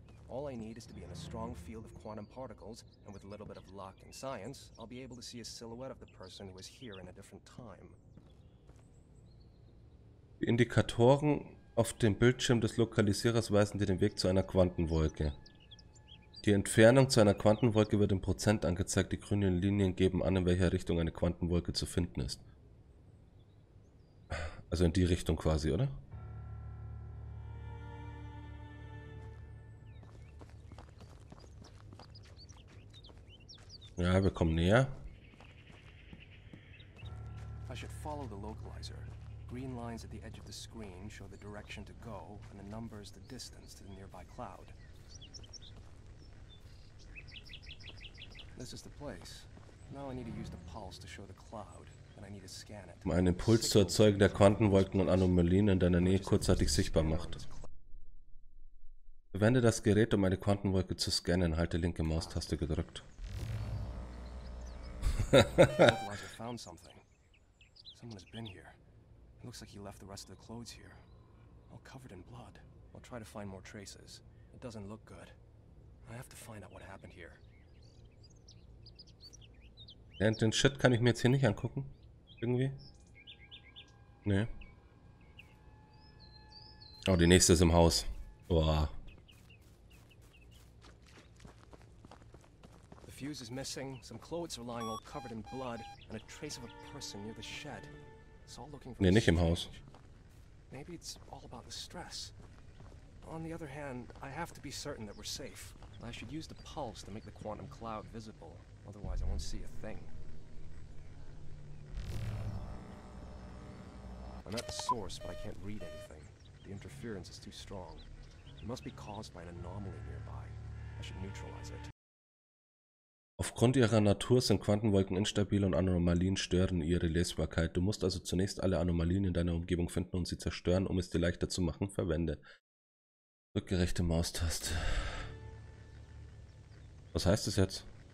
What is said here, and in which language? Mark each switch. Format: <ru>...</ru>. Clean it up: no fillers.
<en>All I need is to be in a strong field of quantum particles, and with a little bit of luck and science, I'll be able to see a silhouette of the person who was here in a different time.</en> <de>Die Indikatoren auf dem Bildschirm des Lokalisierers weisen dir den Weg zu einer Quantenwolke. Die Entfernung zu einer Quantenwolke wird in Prozent angezeigt. Die grünen Linien geben an, in welcher Richtung eine Quantenwolke zu finden ist. Also in die Richtung quasi, oder? Ja, wir kommen näher.</de> <en>I should follow the localizer. Green lines at the edge of the screen show the direction to go and the numbers the distance to the nearby cloud. This is the place. Now I need to use the pulse to show the cloud and I need to scan it.</en> <de>Um einen Impuls zu erzeugen, der Quantenwolken und Anomalien in deiner Nähe kurzzeitig sichtbar macht. Verwende das Gerät, um eine Quantenwolke zu scannen. Halte linke Maustaste gedrückt.</de> <en>Localizer found something. Someone has been here. It looks like he left the rest of the clothes here. All covered in blood. I'll try to find more traces. It doesn't look good. I have to find out what happened here.</en> <de>Ja, den Shit kann ich mir jetzt hier nicht angucken. Irgendwie. Nee. Oh, die nächste ist im Haus. Boah.</de> <en>Fuse is missing, some clothes are lying all covered in blood, and a trace of a person near the shed. It's all looking for</en> <de>nee, nicht im Haus.</de> <en>Maybe it's all about the stress. On the other hand, I have to be certain that we're safe. I should use the pulse to make the quantum cloud visible, otherwise I won't see a thing. I'm at the source, but I can't read anything. The interference is too strong. It must be caused by an anomaly nearby. I should neutralize it.</en> <de>Aufgrund ihrer Natur sind Quantenwolken instabil und Anomalien stören ihre Lesbarkeit. Du musst also zunächst alle Anomalien in deiner Umgebung finden und sie zerstören, um es dir leichter zu machen. Verwende. Rückgerechte Maustaste. Was heißt das jetzt?</de>